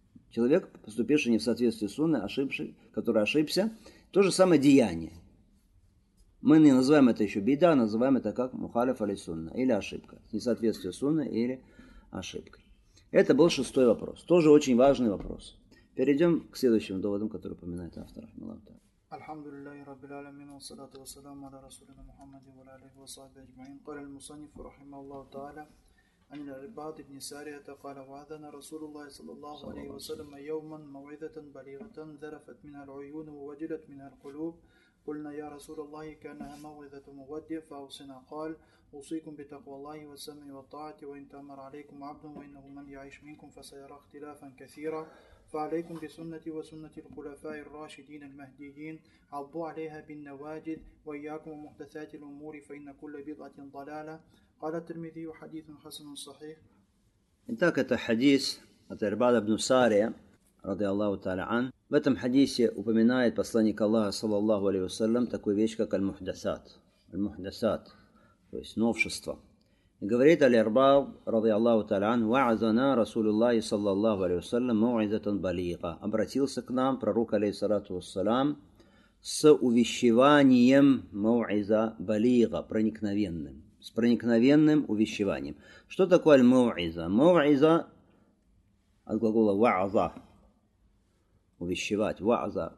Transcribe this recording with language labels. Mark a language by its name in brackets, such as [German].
[Russian] Человек, поступивший не в соответствии с сунной, который ошибся. То же самое деяние. Мы не называем это еще беда, называем это как мухалиф али сунна, или ошибка. Несоответствие сунны или ошибкой. Это был шестой вопрос. Тоже очень важный вопрос. Перейдем к следующим доводам, которые упоминает автор. [Arabic] الحمد لله رب العالمين والصلاة والسلام على رسولنا محمد وعلى آله وصحبه أجمعين قال المصنف رحمه الله تعالى عن العباد بن سارية قال وعدنا رسول الله صلى الله عليه وسلم يوما موعظة بليغة ذرفت منها العيون ووجلت منها القلوب قلنا يا رسول الله كانها موعظة مودع فأوصنا قال أوصيكم بتقوى الله والسمع والطاعة وإن تأمر عليكم عبد وإنه من يعيش منكم فسيرى اختلافا كثيرا فعليكم بسنة وسنة الخلفاء الراشدين المهديين عضوا عليها بالنواجذ وإياكم ومحدثات الأمور فإن كل بضعة ضلالة قال الترمذي حديث حسن صحيح. [Russian] Итак, это хадис от Арбада ибн Сария, [Arabic] رضي الله تعالى عنه. [Russian] В этом хадисе упоминает посланник Аллаха, саллаллаху алейхи ва саллям, такую вещь, как аль-мухдасат. Аль-мухдасат, то есть новшество. Говорит Аль-Арбаб, [Arabic] رضي الله تعالى عنه, وَعَذَنَا رَسُولُ اللَّهِ صَلَّى اللَّهُ عَلَيْهُ وَسَلَّمُ مَوْعِذَةً بَلِيغًا. [Russian] Обратился к нам пророк, алейхиссалату вассалам, с увещеванием мау'иза балига, проникновенным. С проникновенным увещеванием. Что такое аль-мау'иза? Мау'иза от глагола «ва'аза» – увещевать, «ва'аза».